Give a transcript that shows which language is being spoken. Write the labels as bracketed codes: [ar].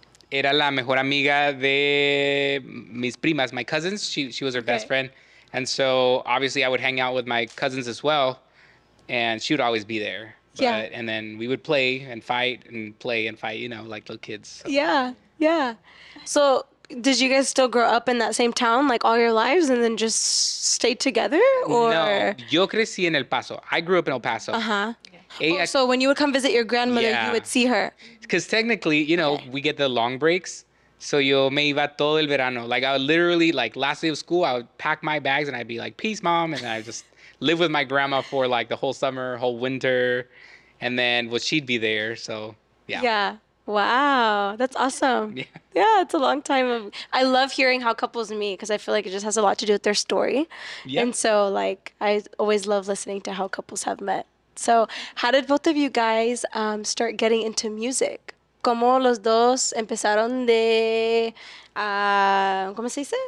[es] Era la mejor amiga de mis primas, [en] my cousins. She was her best friend. And so, obviously, I would hang out with my cousins as well. And she would always be there. But, yeah. And then we would play and fight and play and fight, you know, like little kids. So. Yeah. Yeah. So did you guys still grow up in that same town like all your lives and then just stay together? Or? [es] No. Yo crecí en El Paso. [en] I grew up in El Paso. Uh-huh. Yeah. So when you would come visit your grandmother, you would see her? Because technically, you know, we get the long breaks. So [es] yo me iba todo el verano. [en] Like I would literally, like last day of school, I would pack my bags and I'd be like, peace, mom. And I just... live with my grandma for like the whole summer, whole winter, and then she'd be there. So wow, that's awesome. Yeah, it's a long time of... I love hearing how couples meet because I feel like it just has a lot to do with their story. Yeah. And so like I always love listening to how couples have met. So how did both of you guys start getting into music? [es] ¿Cómo los dos empezaron de, ¿cómo se dice?